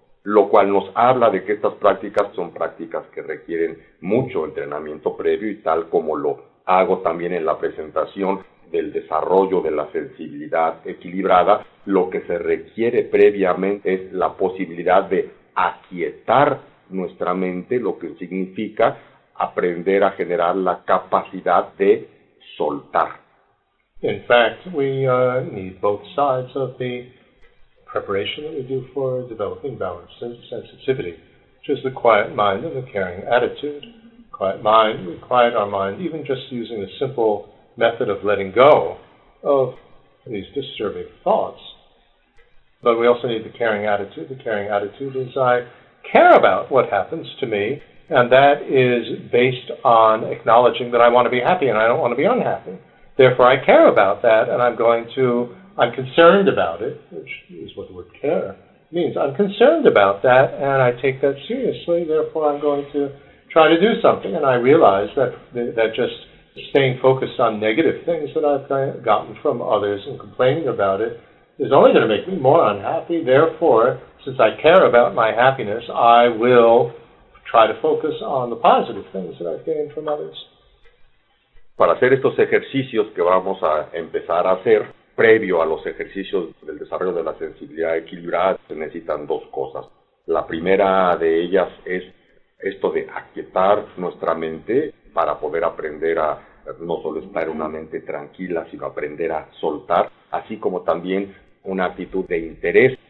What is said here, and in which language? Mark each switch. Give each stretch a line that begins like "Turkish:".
Spanish: lo cual nos habla de que estas prácticas son prácticas que requieren mucho entrenamiento previo, y tal como lo hago también en la presentación del desarrollo de la sensibilidad equilibrada, lo que se requiere previamente es la posibilidad de aquietar nuestra mente, lo que significa aprender a generar la capacidad de soltar.
English: In fact, we need both sides of the preparation that we do for developing balance and sensitivity, which is the quiet mind and the caring attitude. Quiet mind, we quiet our mind even just using a simple method of letting go of these disturbing thoughts. But we also need the caring attitude. The caring attitude is I care about what happens to me, and that is based on acknowledging that I want to be happy and I don't want to be unhappy. Therefore, I care about that, and I'm concerned about it, which is what the word care means. I'm concerned about that, and I take that seriously. Therefore, I'm going to try to do something, and I realize that just staying focused on negative things that I've gotten from others and complaining about it is only going to make me more unhappy. Therefore, since I care about my happiness, I will try to focus on the positive things that I've gained from others.
Spanish: Para hacer estos ejercicios que vamos a empezar a hacer, previo a los ejercicios del desarrollo de la sensibilidad equilibrada, se necesitan dos cosas. La primera de ellas es esto de aquietar nuestra mente para poder aprender a no solo estar en una mente tranquila, sino aprender a soltar, así como también una actitud de interés.